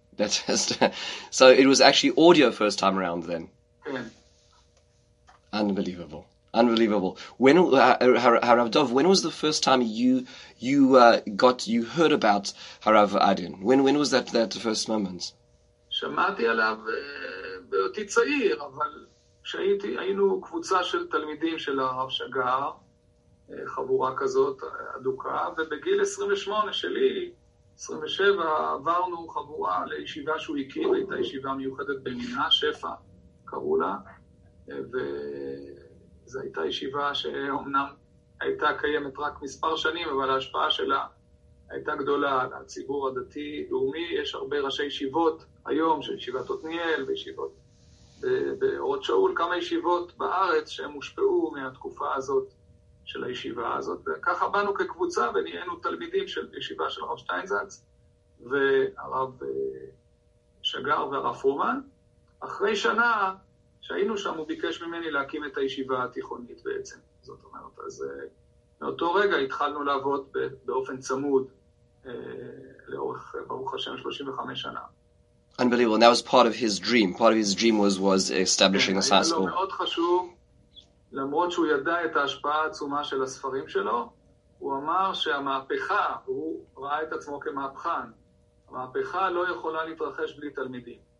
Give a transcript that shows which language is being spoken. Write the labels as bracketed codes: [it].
[en] That's just, so it was actually audio first time around then. [he] כן. [en] Unbelievable. When Harav Dov, when was the first time you got you heard about Harav Adin? When was that the first moment? [he] שמעתי עליו בהיותי צעיר, אבל כשהייתי, היינו קבוצה של תלמידים של הרב שגר, חבורה כזאת אדוקה, ובגיל 28 שלי, 27, עברנו חבורה לישיבה שהוא הקים, הייתה ישיבה מיוחדת במינה, שפע, קראו לה, וזו הייתה ישיבה שאומנם הייתה קיימת רק מספר שנים, אבל ההשפעה שלה הייתה גדולה על הציבור הדתי-לאומי. יש הרבה ראשי ישיבות היום, של ישיבת עותניאל, וישיבות באורות שאול, כמה ישיבות בארץ שהם הושפעו מהתקופה הזאת של הישיבה הזאת. וככה באנו כקבוצה ונהיינו תלמידים של ישיבה של הרב שטיינזלץ, והרב שגר והרב פרומן. אחרי שנה, שהיינו שם, הוא ביקש ממני להקים את הישיבה התיכונית בעצם, זאת אומרת. אז מאותו רגע התחלנו לעבוד באופן צמוד לאורך, ברוך השם, 35 שנה. [en] Unbelievable. And that was part of his dream. Part of his dream was establishing the science school. [he] היה לו מאוד חשוב, למרות שהוא ידע את ההשפעה העצומה של הספרים שלו, הוא אמר שהמהפכה, הוא ראה את עצמו כמהפכן, המהפכה לא יכולה להתרחש בלי תלמידים.